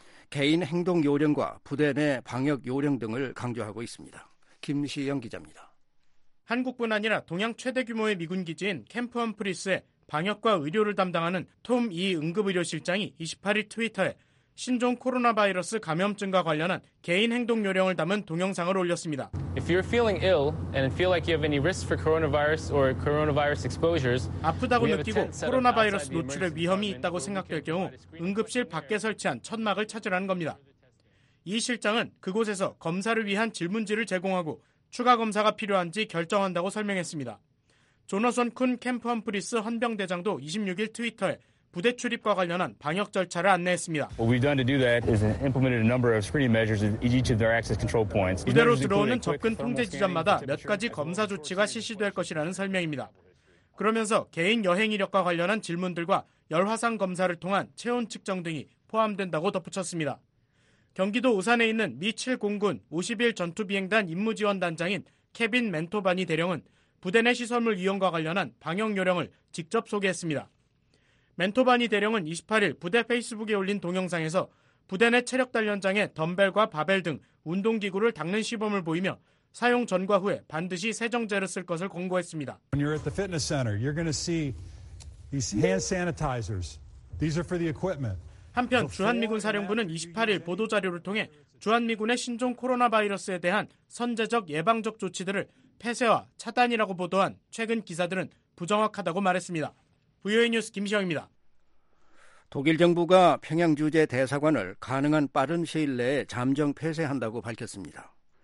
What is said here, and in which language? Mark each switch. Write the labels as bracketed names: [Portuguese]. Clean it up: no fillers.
[Korean] 개인 행동 요령과 부대 내 방역 요령 등을 강조하고 있습니다. 김시영 기자입니다. 한국뿐 아니라 동양 최대 규모의 미군 기지인 캠프 험프리스의 방역과 의료를 담당하는 톰 이 응급의료실장이 28일 트위터에 신종 코로나 바이러스 감염증과 관련한 개인 행동 요령을 담은 동영상을 올렸습니다. [English] If you're feeling ill and feel like you have any risk for coronavirus or coronavirus exposures, [Korean] 아프다고 느끼고 코로나 바이러스 노출의 위험이 있다고 생각될 경우 응급실 밖에 설치한 천막을 찾으라는 겁니다. 이 실장은 그곳에서 검사를 위한 질문지를 제공하고 추가 검사가 필요한지 결정한다고 설명했습니다. 조너선 쿤 캠프 험프리스 헌병대장도 26일 트위터에 부대 출입과 관련한 방역 절차를 안내했습니다. [English] What we've done to do that is implemented a number of screening measures at each of their access control points. [Korean] 부대로 들어오는 접근 통제 지점마다 몇 가지 검사 조치가 실시될 것이라는 설명입니다. 그러면서 개인 여행 이력과 관련한 질문들과 열화상 검사를 통한 체온 측정 등이 포함된다고 덧붙였습니다. 경기도 우산에 있는 미-70군 51전투비행단 임무지원단장인 케빈 멘토바니 대령은 부대 내 시설물 이용과 관련한 방역 요령을 직접 소개했습니다. 멘토바니 대령은 28일 부대 페이스북에 올린 동영상에서 부대 내 체력단련장에 덤벨과 바벨 등 운동기구를 닦는 시범을 보이며 사용 전과 후에 반드시 세정제를 쓸 것을 권고했습니다. [English] When you're at the fitness center, you're going to see these hand sanitizers. These are for the equipment. [Korean] 한편 주한미군 사령부는 28일 보도자료를 통해 주한미군의 신종 코로나 바이러스에 대한 선제적 예방적 조치들을 폐쇄와 차단이라고 보도한 최근 기사들은 부정확하다고 말했습니다. VOA 뉴스 김시영입니다. 독일 정부가 평양 주재 대사관을 가능한 빠른 시일 내에 잠정 폐쇄한다고 밝혔습니다.